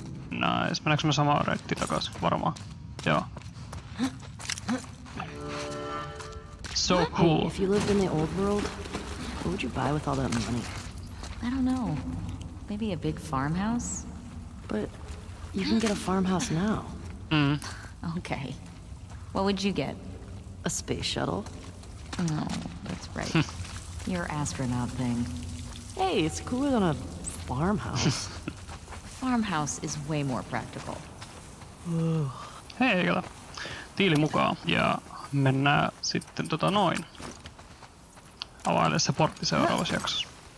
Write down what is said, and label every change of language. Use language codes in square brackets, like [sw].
[en] Nice. [fi] Mennäänkö me samaan reittiin takaisin? Varmaan. Joo. [en] So cool. If you lived in the old world, what would you buy with all that money? I don't know. Maybe a big farmhouse? But you can get a farmhouse now. Mm. Okay. What would you get? A space shuttle. Oh, that's right. Your astronaut thing. Hey, it's cooler than a farmhouse. Farmhouse is way more practical. [fi] Hei, Egala. Tiili mukaan. Ja mennään sitten tota noin. Availe se portti seuraavassa jaksossa.